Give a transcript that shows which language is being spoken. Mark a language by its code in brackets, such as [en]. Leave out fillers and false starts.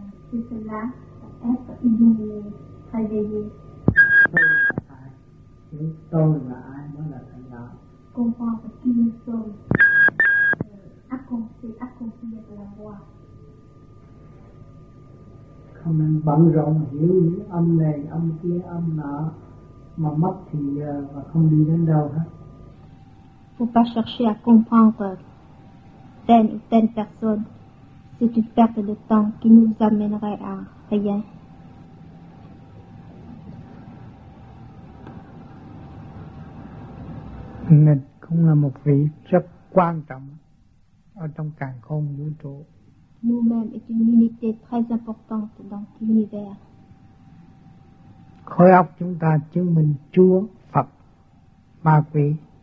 [vi] Không nên bận rộn hiểu những âm này âm kia âm nọ mà mất thì mà không đi đến đâu hết. [fr] Faut pas chercher à comprendre telle ou telle personne. C'est une perte de temps qui nous amènerait à rien. [vi] Nên cũng là một vị rất quan trọng ở trong càn khôn vũ trụ. [fr] Nous-mêmes est une unité très importante dans l'univers. [vi] Khối óc chúng ta chứng minh Chúa, Phật, ma quỷ.